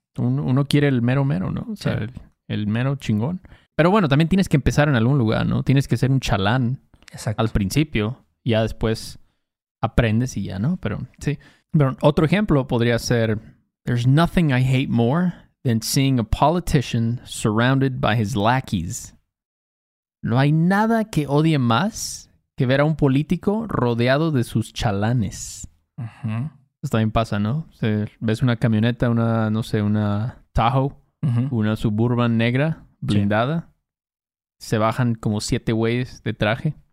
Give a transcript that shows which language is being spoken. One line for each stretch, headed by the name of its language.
Spanish: Uno quiere el mero mero, ¿no? O sea, sí. el mero chingón. Pero bueno, también tienes que empezar en algún lugar, ¿no? Tienes que ser un chalán. Exacto. Al principio. Ya después aprendes y ya, ¿no? Pero sí. Pero otro ejemplo podría ser...
English: There's nothing I hate more than seeing a politician surrounded by his lackeys.
Spanish: No hay nada que odie más que ver a un político rodeado de sus chalanes. Uh-huh. Eso también pasa, ¿no? O sea, ves una camioneta, una, no sé, una Tahoe, uh-huh. una Suburban negra, blindada. Sí. Se bajan como 7 güeyes de traje.